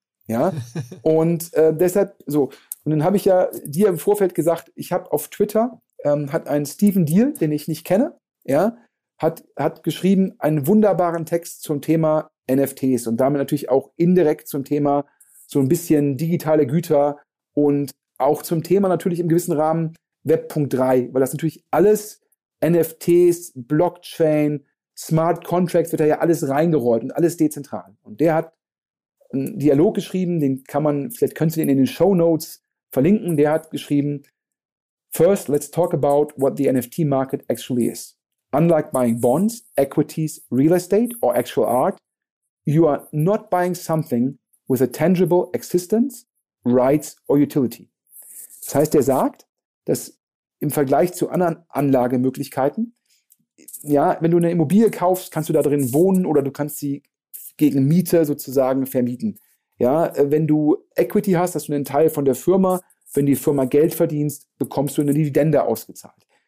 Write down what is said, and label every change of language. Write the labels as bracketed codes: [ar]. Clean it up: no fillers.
[de] Ja, und deshalb so. Und dann habe ich ja dir im Vorfeld gesagt, ich habe auf Twitter, hat ein Stephen Deal, den ich nicht kenne, ja, hat geschrieben einen wunderbaren Text zum Thema NFTs und damit natürlich auch indirekt zum Thema so ein bisschen digitale Güter und auch zum Thema natürlich im gewissen Rahmen Web.3, weil das natürlich alles NFTs, Blockchain, Smart Contracts, wird da ja alles reingerollt und alles dezentral. Und der hat einen Dialog geschrieben, den kann man, vielleicht könnt ihr den in den Shownotes verlinken, der hat geschrieben, [en] first let's talk about what the NFT market actually is. Unlike buying bonds, equities, real estate or actual art, you are not buying something with a tangible existence, rights or utility. [de] Das heißt, er sagt, dass im Vergleich zu anderen Anlagemöglichkeiten, ja, wenn du eine Immobilie kaufst, kannst du da drin wohnen oder du kannst sie gegen Miete sozusagen vermieten. Ja, wenn du Equity hast, hast du einen Teil von der Firma. Wenn die Firma Geld verdienst, bekommst du eine Dividende ausgezahlt.